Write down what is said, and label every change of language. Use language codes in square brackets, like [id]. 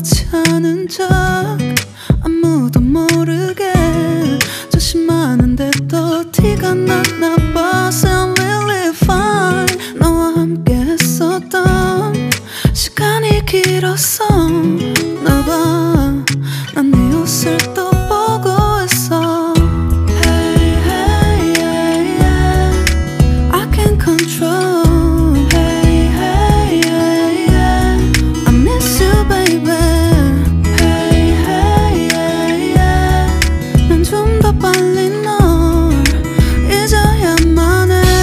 [ko] 하는 척 아무도 모르게 조심하는데 또 티가 났나 봐. [en] I'm really fine. [ko] 너와 함께 했었던 시간이 길었어. 나 봐 난 네 옷을 또 보고 있어. [en] Hey hey yeah yeah, I can't control. Hey hey yeah yeah, I miss you baby. [ko] Hey hey yeah yeah, 난 좀 더 빨리 널 잊어야만 해.